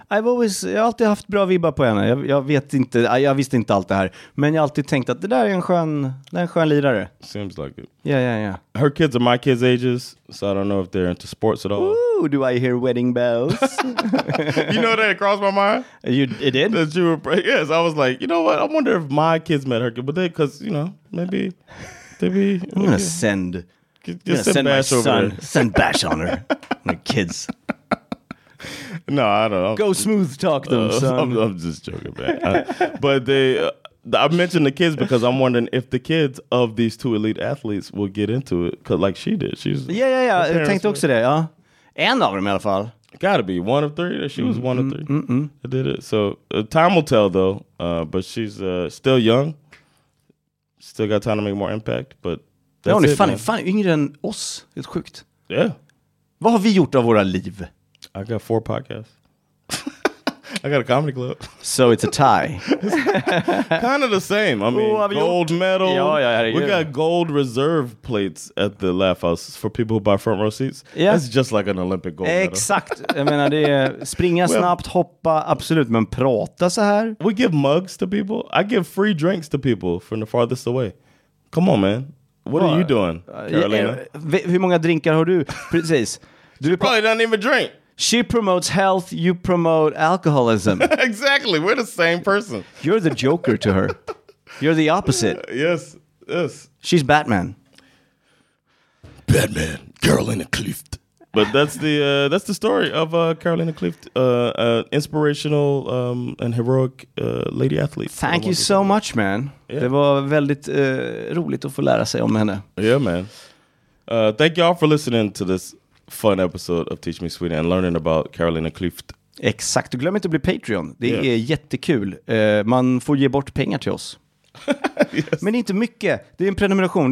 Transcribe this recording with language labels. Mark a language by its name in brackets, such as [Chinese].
[Swedish] Jag har alltid haft bra vibbar på henne. Jag visste inte allt det här. Men jag alltid tänkt att det där är en skön lirare. [English] Seems like it. Yeah. Her kids are my kids' ages, so I don't know if they're into sports at all. Ooh, do I hear wedding bells? You know that crossed my mind? It did? That you were, yes, I was like, you know what? I wonder if my kids met her kid. But they, because, you know, maybe they be... I'm going to send... Just send Bash over son, send Bash on her. My kids. No, I don't know. Go smooth talk them, son. I'm just joking, man. But I mentioned the kids because I'm wondering if the kids of these two elite athletes will get into it, cause like she did. She's Yeah. [Swedish] I tänkte också det, ja. En av dem i alla fall. [English] Gotta be. One of three. She was one of three. Mm-hmm. I did it. So time will tell, though. But she's still young. Still got time to make more impact, but... [Swedish] Ja, hon är fan yngre än oss. Helt sjukt. Ja. [English] Yeah. [Swedish] Vad har vi gjort av våra liv? [English] I got 4 podcasts. I got a comedy club. So it's a tie. Kind of the same. I mean, gold medal. [Swedish] Ja, [English] got gold reserve plates at the Laugh House for people who buy front row seats. Yeah. That's just like an Olympic gold medal. [Swedish] Exakt. Jag menar, det är springa snabbt, hoppa, absolut. Men prata så här. [English] We give mugs to people. I give free drinks to people from the farthest away. Come on, man. What are you doing, Carolina? [Swedish] Hur många drinkar har du? Precis. [English] She probably doesn't even drink. She promotes health. You promote alcoholism. Exactly. We're the same person. You're the Joker to her. You're the opposite. Yes. She's Batman. Batman. Carolina Clift. But that's the story of Carolina Clift, inspirational and heroic lady athlete. Thank you so much, man. Yeah. [Swedish] Det var väldigt roligt att få lära sig om henne. [English] Yeah, man. Thank you all for listening to this fun episode of Teach Me Sweden and learning about Carolina Clift. [Swedish] Exakt. Glöm inte att bli Patreon. Det är jättekul. Man får ge bort pengar till oss. [English] Yes. [Swedish] Men inte mycket. Det är en prenumeration.